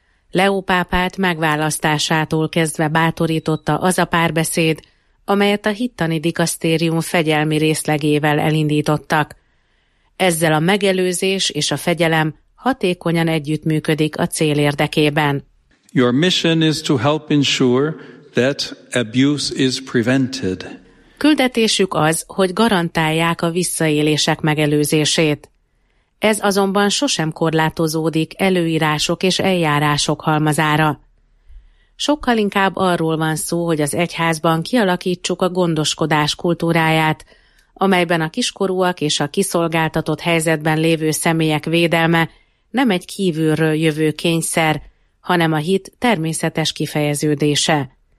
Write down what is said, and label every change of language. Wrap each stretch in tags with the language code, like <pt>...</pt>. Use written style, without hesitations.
<hu>Leó pápát megválasztásától kezdve bátorította az a párbeszéd, amelyet a hittani dikasztérium fegyelmi részlegével elindítottak. Ezzel a megelőzés és a fegyelem hatékonyan együttműködik a cél érdekében.</hu> <en>Your mission is to help ensure that abuse is prevented.</en> <hu>Küldetésük az, hogy garantálják a visszaélések megelőzését. Ez azonban sosem korlátozódik előírások és eljárások halmazára. Sokkal inkább arról van szó, hogy az egyházban kialakítsuk a gondoskodás kultúráját, amelyben a kiskorúak és a kiszolgáltatott helyzetben lévő személyek védelme nem egy kívülről jövő kényszer, hanem a hit természetes kifejeződése.</hu>